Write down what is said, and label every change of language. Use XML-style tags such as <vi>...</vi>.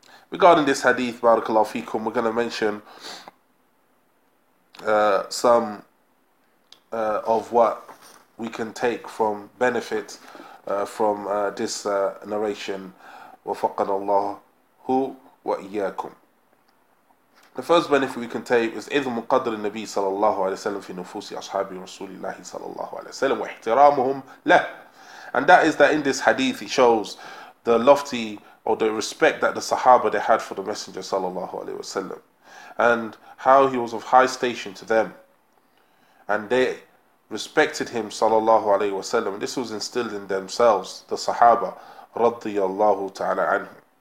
<en>Regarding this hadith, barakallahu feekum, we're going to mention some of what we can take from benefits from this narration.</en> <ar>وَفَقَّنَ اللَّهُ وَإِيَّاكُمْ.</ar> <en>The first benefit we can take is</en> <ar>إِذْ مُقَدْرِ النَّبِي صَلَى اللَّهُ عَلَيْهِ وَسَلَّمْ فِي نُفُوسِ أَصْحَابِ رَسُولِ اللَّهِ صَلَى اللَّهُ عَلَيْهِ وَسَلَّمْ وَإِحْتِرَامُهُمْ لَهُ.</ar> <en>And that is that in this hadith it shows the lofty or the respect that the Sahaba they had for the Messenger sallallahu alaihi wasallam, and how he was of high station to them, and they respected him sallallahu alaihi wasallam. This was instilled in themselves, the Sahaba radiyallahu ta'ala anhum.</en>